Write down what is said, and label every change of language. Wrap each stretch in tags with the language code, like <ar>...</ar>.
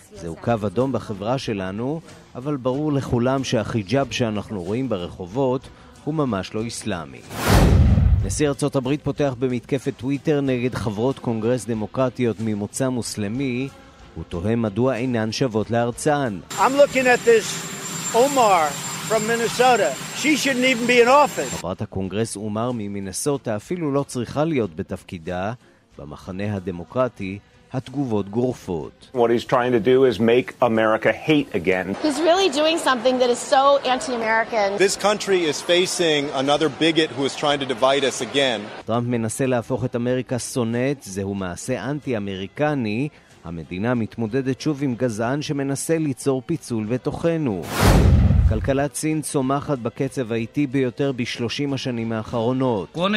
<he>זהו קו אדום בחברה שלנו, אבל ברור לכולם שהחיג'אב שאנחנו רואים ברחובות הוא ממש לא איסלאמי. נשיא ארצות הברית פותח במתקפת טוויטר נגד חברות קונגרס דמוקרטיות ממוצא מוסלמי. הוא תוהה מדוע אינן שוות לארצן.</he> <en>I'm looking at this Omar from Minnesota. She shouldn't even be in office.</en> <he>חברת הקונגרס אומר ממינסוטה אפילו לא צריכה להיות בתפקידה. במחנה הדמוקרטי התגובות גורפות.</he> <en>What he's trying to do is make America hate again. He's really doing something that is so anti-American. This country is facing another bigot who is trying to divide us again.</en> <he>טראמפ מנסה להפוך את אמריקה שונאת. זהו מעשה אנטי-אמריקני. המדינה מתמודדת שוב עם גזען שמנסה ליצור פיצול בתוכנו. כלכלת סין צומחת בקצב האיטי ביותר ב-30 השנים האחרונות.</he>